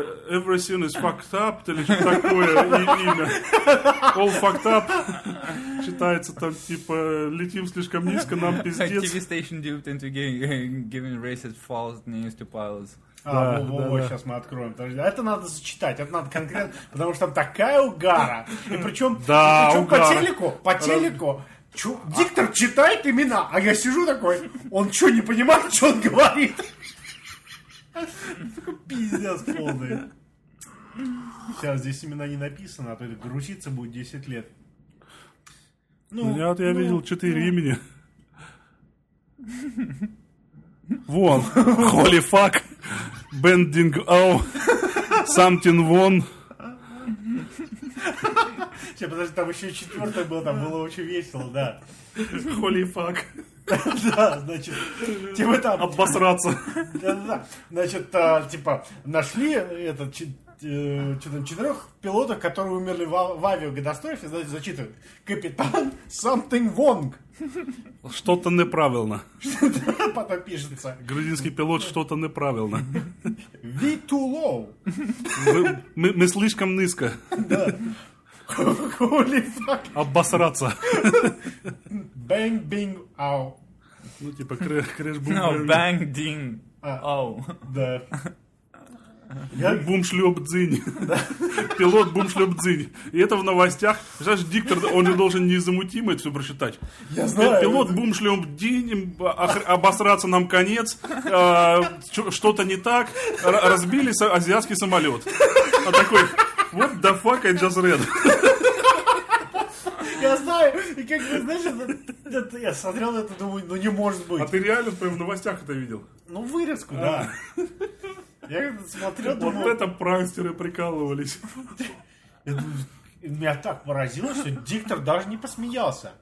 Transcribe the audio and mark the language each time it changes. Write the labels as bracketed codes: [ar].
[en] everything is fucked up, [ru] или что такое, имя. [en] All fucked up. [ru] Читается там, типа, летим слишком низко, нам пиздец. [en] TV station duped into giving racist false news to pilots. [ru] А, во-во-во, да, сейчас мы откроем. Это надо зачитать, это надо конкретно, потому что там такая угара. И причем, да, причем угара. по телеку, диктор читает имена, а я сижу такой, он что, не понимает, что он говорит? Такой пиздец полный. Сейчас здесь имена не написано, а то это грузиться будет 10 лет. Ну, я видел 4 имени. Вон. [en] Holy fuck. Bending out. Something won. [ru] Сейчас, подожди, там еще 4-е было, там было очень весело, да. [en] Holy fuck. [ru] Да, значит, типа там... Обосраться. Да-да-да. Значит, типа, нашли этот... что там, 4 пилотов, которые умерли в авиакатастрофе, значит, зачитывают. Капитан [en] something wrong. [ru] Что-то неправильно. Потом пишется. Грузинский пилот, что-то неправильно. [en] We too low. [ru] Мы слишком низко. [en] Holy fuck. [ru] Обосраться. [en] Bang, bing, ow. [ru] Ну, типа, крэш-бум. [en] No, bang, ding, ow. [ru] Да. Бум-шлёп-дзинь. Пилот бум-шлёп-дзинь. И это в новостях. Знаешь, диктор, он же должен незамутимый это всё прочитать. Я знаю. Пилот бум-шлёп-дзинь, обосраться нам конец, что-то не так, разбили азиатский самолёт. А такой, [en] what the fuck I just read. [ru] Я знаю. И как бы, знаешь, я смотрел это, думаю, ну не может быть. А ты реально прям в новостях это видел? Ну вырезку, да. Я смотрел, вот думал... это пранкстеры прикалывались. Меня так поразило, что диктор даже не посмеялся.